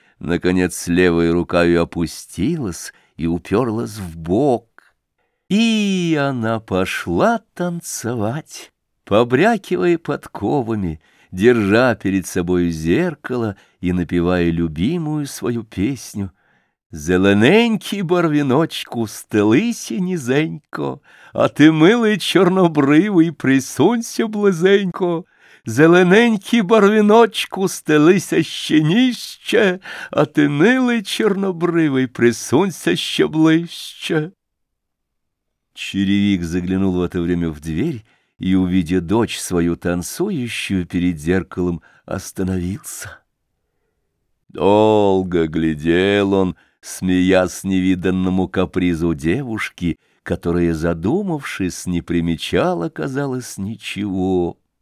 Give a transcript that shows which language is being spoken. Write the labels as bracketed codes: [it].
[ru] Наконец, левой рукой опустилась и уперлась в бок. И она пошла танцевать, побрякивая подковами, держа перед собой зеркало и напевая любимую свою песню. [uk] «Зелененький барвіночку, стелися низенько, а ти, милий чорнобривий, присунься близенько. Зелененький барвіночку, стелися ще ніще, а ти, милий чорнобривий, присунься ще ближче». [ru] Черевик заглянул в это время в дверь и, увидя дочь свою танцующую перед зеркалом, остановился. Долго глядел он, смеясь невиданному капризу девушки, которая, задумавшись, не примечала, казалось, ничего.